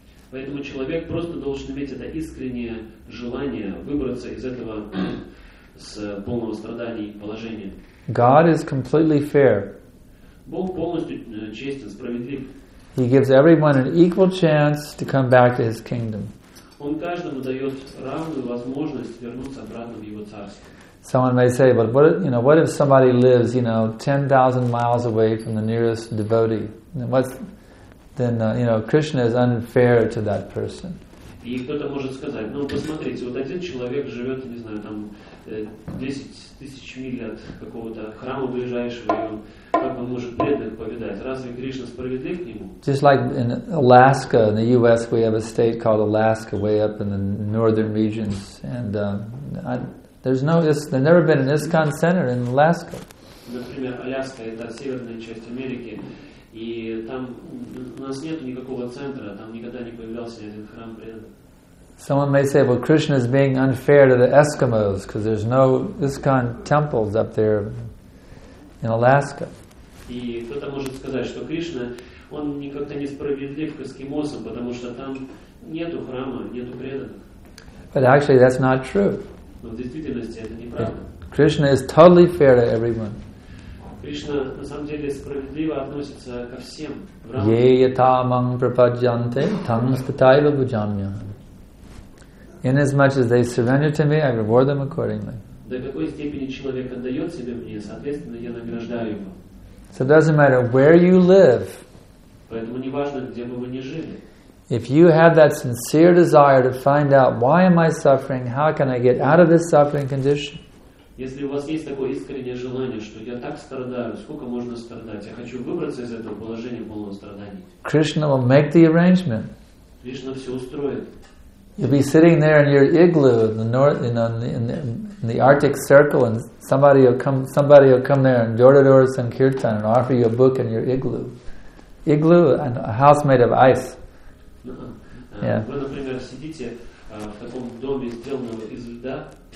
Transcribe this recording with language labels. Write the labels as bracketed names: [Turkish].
[Russian] Поэтому человек просто должен иметь это искреннее желание выбраться из этого с полного страдания положения. [English] God is completely fair. [Russian] Бог полностью честен, справедлив. [English] He gives everyone an equal chance to come back to his kingdom. [Russian] Он каждому дает равную возможность вернуться обратно в его царство. [English] Someone may say, but what, you know, what if somebody lives, you know, 10,000 miles away from the nearest devotee? Then what's, then, you know, Krishna is unfair to that person. [Russian] И кто-то может сказать, ну, посмотрите, вот один человек живет, не знаю, там, 10,000 миль от какого-то храма ближайшего, и он, как он может бедных повидать? Разве Кришна справедлив к нему? [English] Just like in Alaska, in the U.S., we have a state called Alaska, way up in the northern regions, and there's never been an ISKCON center in Alaska. [Russian] Например, Аляска — это северная часть Америки, и там у нас нет никакого центра, там никогда не появлялся ни один храм преданных. [English] Someone may say, well, Krishna is being unfair to the Eskimos because there's no ISKCON temples up there in Alaska. [Russian] И кто-то может сказать, что Кришна, он никогда не справедлив к эскимосам, потому что там нету храма, нету преданных. [English] But actually, that's not true. [Russian] Но в действительности это неправда. [English] Krishna is totally fair to everyone. [Russian] Кришна на самом деле справедливо относится ко всем. [Sanskrit] Ye yatamam prapajyante tam stataiva bhujamyaham. [English] Inasmuch as they surrender to me, I reward them accordingly. [Russian] До какой степени человек отдает себя мне, соответственно, я награждаю его. [English] So it doesn't matter where you live. [Russian] Поэтому не важно, где бы вы ни жили. [English] If you have that sincere desire to find out why am I suffering, how can I get out of this suffering condition? [Russian] Если у вас есть такое искреннее желание, что я так страдаю, сколько можно страдать, я хочу выбраться из этого положения полного страдания. [English] Krishna will make the arrangement. [Russian] Кришна все устроит. [English] You'll be sitting there in your igloo in the north, you know, in the Arctic Circle, and somebody will come there and door to door sankirtan and offer you a book in your igloo. Igloo, a house made of ice. [Russian] Вы, например, сидите в таком доме, сделанном из льда.